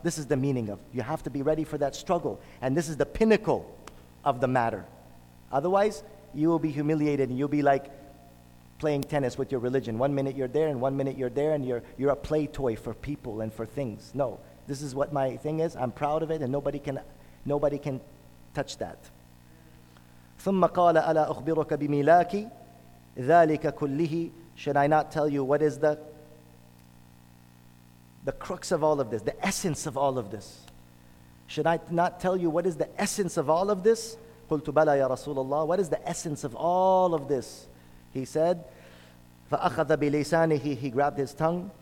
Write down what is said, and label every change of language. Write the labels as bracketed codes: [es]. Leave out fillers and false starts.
[en] This is the meaning of, you have to be ready for that struggle, and this is the pinnacle of the matter. Otherwise, you will be humiliated, and you'll be like playing tennis with your religion. One minute you're there, and one minute you're there, and you're a play toy for people and for things. No, this is what my thing is. I'm proud of it, and nobody can touch that. [ar] ثم قال ألا أخبرك بملاك ذلك كله. [en] Should I not tell you what is the crux of all of this, the essence of all of this? Should I not tell you what is the essence of all of this? [ar] قلت بلى يا رسول الله. [en] What is the essence of all of this? He said, [ar] فأخذ بلسانه. [en] He grabbed his tongue.